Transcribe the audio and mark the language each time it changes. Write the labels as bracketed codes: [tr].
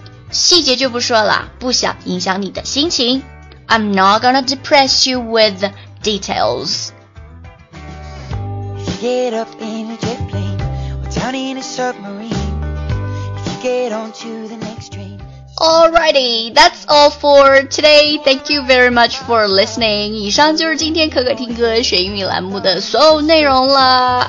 [zh] 细节就不说了，不想影响你的心情。 [en] I'm not gonna depress you with details. If you get up in a jet plane or down in a submarine, if you get onto the next train. Alrighty, that's all for today. Thank you very much for listening. [zh] 以上就是今天可可听歌学英语栏目的所有内容了。